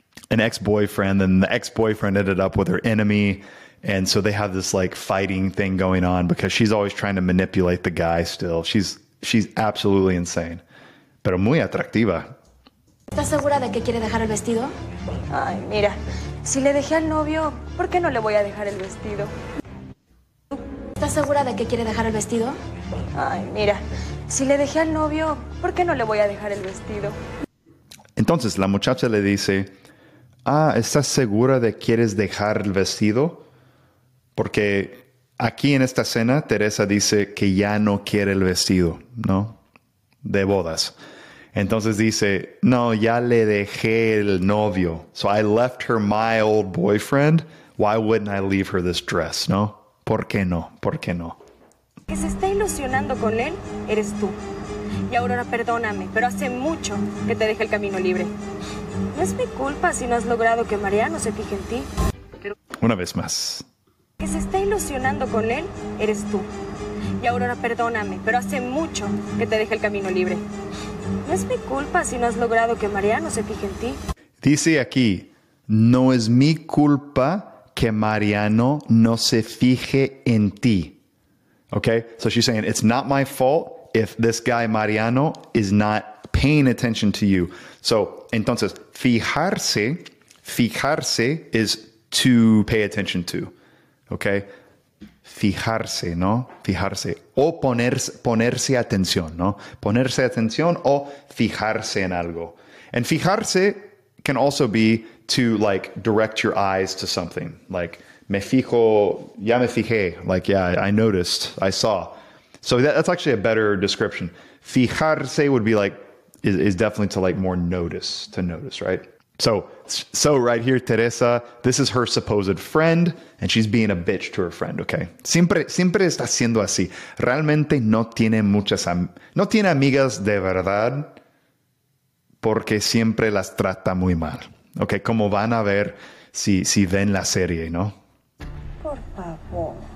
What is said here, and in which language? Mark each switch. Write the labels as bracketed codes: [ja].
[en] An ex-boyfriend, and the ex-boyfriend ended up with her enemy. And so they have this, like, fighting thing going on because she's always trying to manipulate the guy still. She's absolutely insane, [es] pero muy atractiva. ¿Estás segura de que quiere dejar el vestido? Ay, mira, si le dejé al novio, ¿por qué no le voy a dejar el vestido? ¿Estás segura de que quiere dejar el vestido? Ay, mira, si le dejé al novio, ¿por qué no le voy a dejar el vestido? Entonces la muchacha le dice, ah, ¿estás segura de que quieres dejar el vestido? Porque aquí en esta escena, Teresa dice que ya no quiere el vestido, ¿no? De bodas. Entonces dice, no, ya le dejé el novio. [en] So I left her my old boyfriend. Why wouldn't I leave her this dress, [es] ¿no? ¿Por qué no? ¿Por qué no? Que se está ilusionando con él, eres tú. Y Aurora, perdóname, pero hace mucho que te dejé el camino libre. No es mi culpa si no has logrado que Mariano se fije en ti. Una vez más. Que se está ilusionando con él, eres tú. Y Aurora, perdóname, pero hace mucho que te dejé el camino libre. No es mi culpa si no has logrado que Mariano se fije en ti. Dice aquí, no es mi culpa que Mariano no se fije en ti. [en] Okay, so she's saying, it's not my fault if this guy Mariano is not paying attention to you. So, [es] entonces, [en] fijarse is to pay attention to. Okay, [es] fijarse, ¿no? Fijarse. O ponerse atención, ¿no? Ponerse atención o fijarse en algo. [en] And fijarse can also be to, like, direct your eyes to something. Like, [es] me fijo, ya me fijé. [en] Like, yeah, I noticed, I saw. So that's actually a better description. Fijarse would be like, is definitely to like more notice, to notice, right? So right here, Teresa, this is her supposed friend, and she's being a bitch to her friend, okay? [es] Siempre está siendo así. Realmente no tiene amigas de verdad, porque siempre las trata muy mal. [en] Okay, [es] como van a ver si ven la serie, ¿no? Por favor.